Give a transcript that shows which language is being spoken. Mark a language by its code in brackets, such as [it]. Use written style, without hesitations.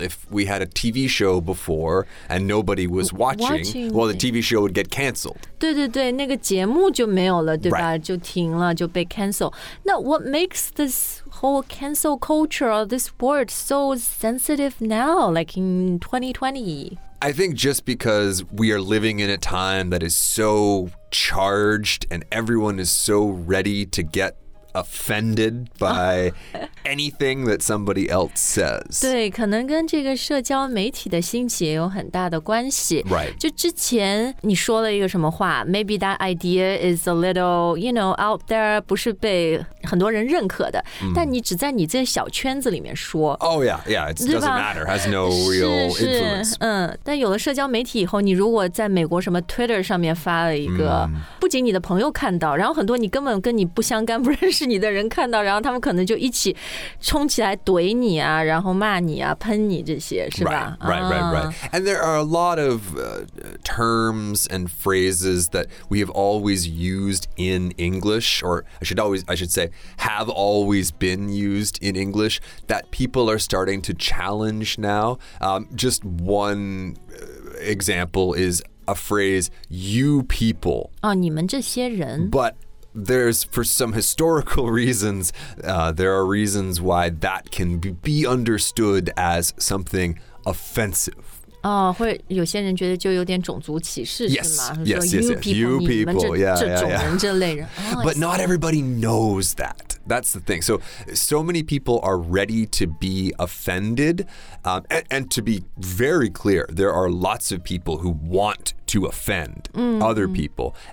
[en] If we had a TV show before and nobody was watching, well, the TV show would get canceled. [zh] 对对对，那个节目就没有了，对吧？ [en] Right. [zh] 就停了，就被 cancel. [en] Now, what makes this whole cancel culture or this word so sensitive now, like in 2020? I think just because we are living in a time that is so charged and everyone is so ready to get offended by anything that somebody else says. [zh] 对，可能跟这个社交媒体的兴起也有很大的关系。 [en] Right. [zh] 就之前你说了一个什么话 ， [en] maybe that idea is a little, you know, out there, [zh] 不是被很多人认可的。Mm. 但你只在你这小圈子里面说。 [en] Oh yeah, yeah. It doesn't matter. Has no real influence. [zh] 是是但有了社交媒体以后，你如果在美国什么 Twitter 上面发了一个， mm. 不仅你的朋友看到，然后很多你根本跟你不相干、不认识你的人看到，然后他们可能就一起。冲起来怼你啊，然后骂你啊，喷你这些是吧 [en] Right. And there are a lot of terms and phrases that we have always used in English, or I should say, have always been used in English that people are starting to challenge now. Just one example is a phrase, you people. [zh] 哦，你们这些人。 [en] But,there's for some historical reasons, there are reasons why that can be understood as something offensive. [zh] Oh, 会有些人觉得就有点种族歧视 [en] yes, [zh] 是吗 [en] Yes, you people, [zh] 你们这种人这类人 [en] But not everybody knows that. That's the thing. So many people are ready to be offended. And to be very clear, there are lots of people who want to offend other people.